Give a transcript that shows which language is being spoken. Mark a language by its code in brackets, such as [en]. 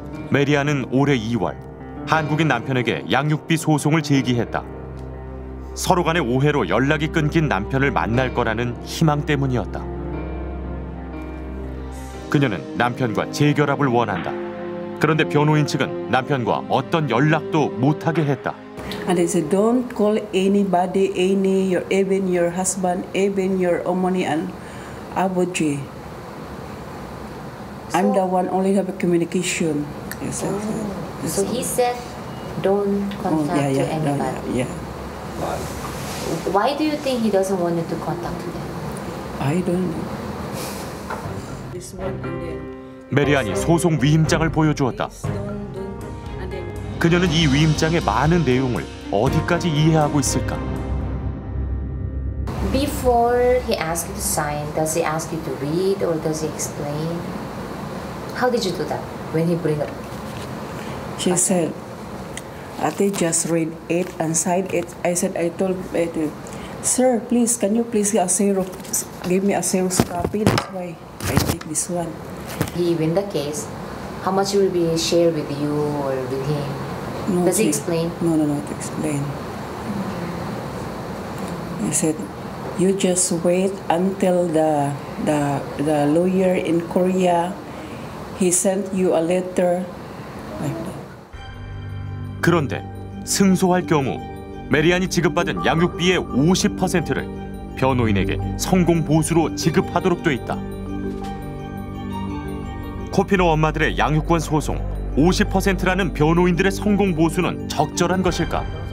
[ko] 메리아는 올해 2월 한국인 남편에게 양육비 소송을 제기했다. 서로 간의 오해로 연락이 끊긴 남편을 만날 거라는 희망 때문이었다. 그녀는 남편과 재결합을 원한다. 그런데 변호인 측은 남편과 어떤 연락도 못하게 했다. [en] And they said, don't call anybody, even your husband, even your 어머니 and 아버지. I'm the one only have a communication. So he said, don't contact anybody. Why do you think he doesn't want you to contact them? I don't know. [ko] 메리안이 소송 위임장을 보여주었다. 그녀는 이 위임장의 많은 내용을 어디까지 이해하고 있을까? [en] Before he asked you to sign, does he ask you to read or does he explain? How did you do that when he bring up? She said, they just read it and sign it. I said, I told him, sir, please, can you please give me a sales copy? That's why I take this one. He win the case. How much will be shared with you or with him? No, does he explain? No, to explain. I said, you just wait until the lawyer in Korea, he sent you a letter. [ko] 그런데 승소할 경우 메리안이 지급받은 양육비의 50%를 변호인에게 성공 보수로 지급하도록 돼 있다. 코피노 엄마들의 양육권 소송 50%라는 변호인들의 성공 보수는 적절한 것일까?